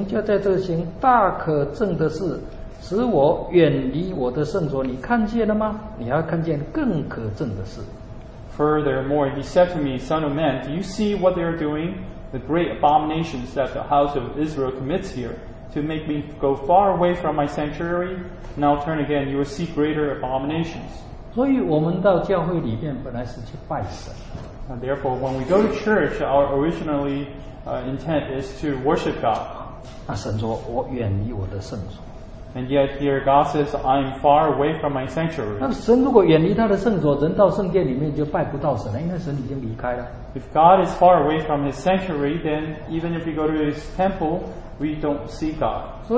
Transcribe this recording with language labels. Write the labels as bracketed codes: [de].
[zh] 对我说，人子啊，以色列家所行，就在这行大可憎的事。使我远离我的圣所，你看见了吗？你要看见更可憎的事。 [en] Furthermore, he said to me, Son of man, do you see what they are doing? The great abominations that the house of Israel commits here to make me go far away from my sanctuary. Now turn again, you will see greater abominations. [zh] 所以我们到教会里面本来是去拜神。 [en] Therefore, when we go to church, our originally intent is to worship God. [zh] 那神说，我远离我的圣所。 [en] And yet here God says, I'm far away from my sanctuary. [zh] 那神如果远离他的圣所，人到圣殿里面就拜不到神了，因为神已经离开了。 [en] If God is far away from his sanctuary, then even if we go to his temple, we don't see God.